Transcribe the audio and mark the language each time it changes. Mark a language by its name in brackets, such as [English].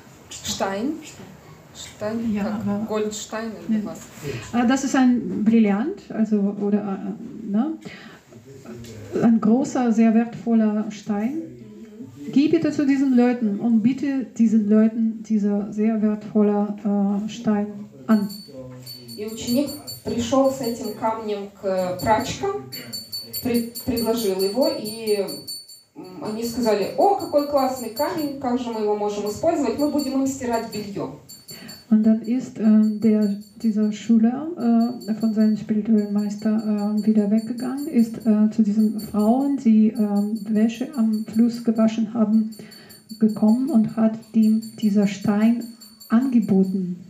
[German] Stein, ja, Goldstein oder was? Das ist ein Brillant, also oder ne? Ein großer, sehr wertvoller Stein. Geh bitte zu diesen Leuten und bitte diesen Leuten dieser sehr wertvolle Stein an. [Russian] И ученик пришел с этим камнем к прачкам, предложил его, и они сказали: О, какой классный камень! Как же мы его можем использовать? Мы будем им стирать белье. [German] Und dann ist dieser Schüler von seinem spirituellen Meister wieder weggegangen, ist zu diesen Frauen, die Wäsche am Fluss gewaschen haben, gekommen und hat ihm dieser Stein angeboten.